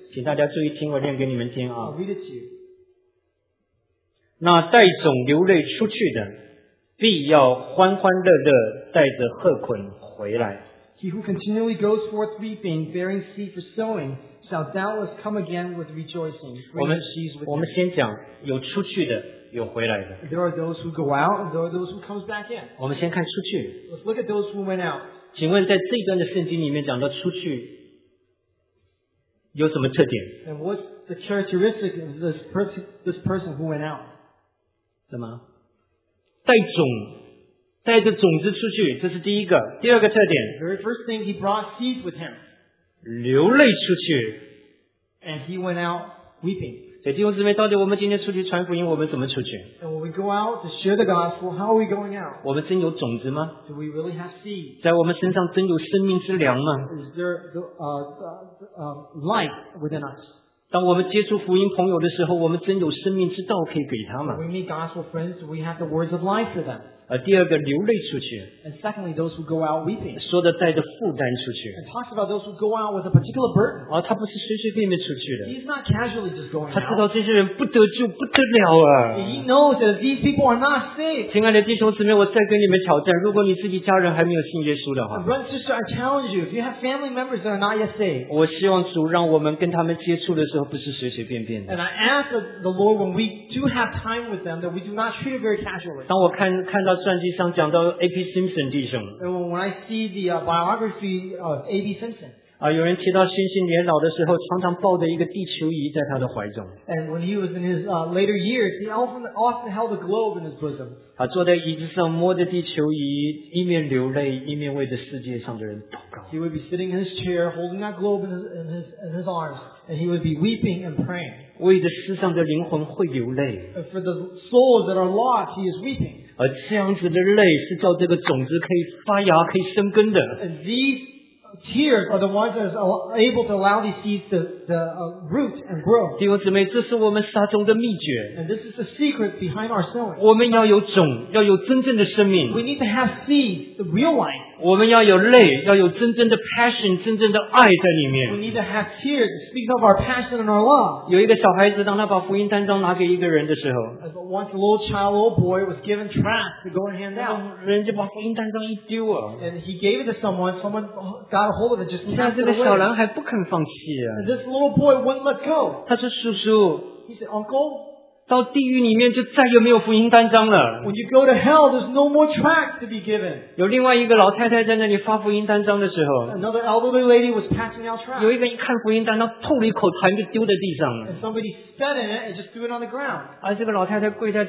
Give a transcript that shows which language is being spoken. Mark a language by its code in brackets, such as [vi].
[zh] 请大家注意听我念给你们听啊。 [en] I'll read it to you. [zh] 那带种流泪出去的必要欢欢乐乐带着禾捆回来。 [en] He who continually goes forth weeping, bearing seed for sowing, shall doubtless come again with rejoicing. [zh] 我们先讲有出去的有回来的。 [en] There are those who go out, and there are those who come back in. [zh] 我们先看出去。 [en] Let's look at those who went out. [zh] 请问在这一段的圣经里面讲到出去有什么特点 [en] ？And what's the characteristic of this person who went out? [zh] 什么？带种，带着种子出去，这是第一个。第二个特点。 [en] The very first thing he brought seeds with him. [zh] 流泪出去。 [en] And he went out weeping. [zh] 对弟兄姊妹，到底我们今天出去传福音，我们怎么出去？ [en] And when we go out to share the gospel, how are we going out? [zh] 我们真有种子吗？ [en] Do we really have seed? [zh] 在我们身上真有生命之粮吗？ [en] Is there life within us? [zh] 当我们接触福音朋友的时候，我们真有生命之道可以给他吗？ [en] We meet gospel friends, do we have the words of life for them? [zh] 第二个流泪出去。 [en] And secondly, those who go out weeping. [zh] 说的带着负担出去。 [en] And talks about those who go out with a particular burden. [zh] 他不是随随便便出去的。 [en] He's not casually just going out. [zh] 他知道这些人不得救不得了啊。 [en] He knows that these people are not saved. [zh] 亲爱的弟兄姊妹，我再跟你们挑战，如果你自己家人还没有信耶稣的话。 [en] Brothers and sisters, I challenge you. If you have family members that are not yet saved. [zh] 我希望主让我们跟他们接触的时候不是随随便便的。 [en] And I ask the Lord when we do have time with them that we do not treat it very casually. [zh] 当我看到传记上讲到 A.P. Simpson 弟兄 [en] When I see the biography of A.P. Simpson [zh] 有人提到辛辛年老的时候常常抱着一个地球仪在他的怀中 [en] And when he was in his later years he often held a globe in his bosom [zh] 坐在椅子上摸着地球仪一面流泪一面为着世界上的人祷告 [en] He would be sitting in his chair, holding that globe in his arms, and he would be weeping and praying. [zh] 为的世上的灵魂会流泪。 [en] For the souls that are lost, he is weeping. [zh] 而这样子的泪是照这个种子可以发芽，可以生根的。 [en] And these tears are the ones that are able to allow these seeds to root and grow. [zh] 弟兄姊妹，这是我们撒种的秘诀。 [en] And this is the secret behind our sowing. [zh] 我们要有种，要有真正的生命。 [en] We need to have seeds, the real life. [zh] 我们要有泪，要有真正的passion，真正的爱在里面。 [en] We need to have tears, it speaks of our passion and our love. [zh] 有一个小孩子，当他把福音单张拿给一个人的时候， [en] Once a little child, a little boy was given tracts to go and hand out. [zh] 人家把福音单张一丢啊。 [en] And he gave it to someone, someone got a hold of it just passed [zh] 你看这个小男孩不肯放弃啊。 [en] And this little boy wouldn't let go. [zh] 他说叔叔。 [en] He said, uncle? [zh] 到地狱里面就再也没有福音单张了。 [en] When you go to hell, there's no more tracts to be given. [zh] 有另外一个老太太在那里发福音单张的时候， [en] Another elderly lady was passing out tracts. [zh] 有一个一看福音单，吐了一口痰就丢在地上了。 [en] And somebody spat in it and just threw it on the ground.